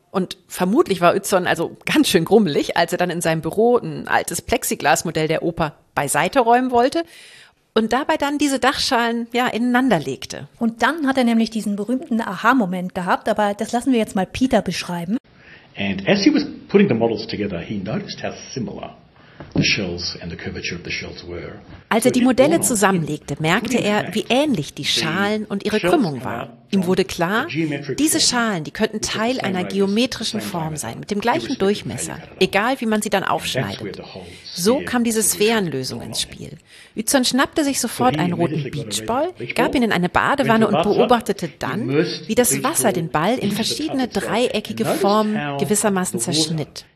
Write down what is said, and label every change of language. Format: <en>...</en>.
<de>Und vermutlich war Utzon also ganz schön grummelig, als er dann in seinem Büro ein altes Plexiglasmodell der Oper beiseite räumen wollte und dabei dann diese Dachschalen ja ineinander legte. Und dann hat er nämlich diesen berühmten Aha-Moment gehabt, aber das lassen wir jetzt mal Peter beschreiben.</de> <en>And as he was putting the models together, he noticed how similar the shells and the curvature of the shells were.</en> <de>Als er die Modelle zusammenlegte, merkte er, wie ähnlich die Schalen und ihre Krümmung war. Ihm wurde klar, diese Schalen, die könnten Teil einer geometrischen Form sein, mit dem gleichen Durchmesser, egal wie man sie dann aufschneidet. So kam diese Sphärenlösung ins Spiel. Utzon schnappte sich sofort einen roten Beachball, gab ihn in eine Badewanne und beobachtete dann, wie das Wasser den Ball in verschiedene dreieckige Formen gewissermaßen zerschnitt.</de>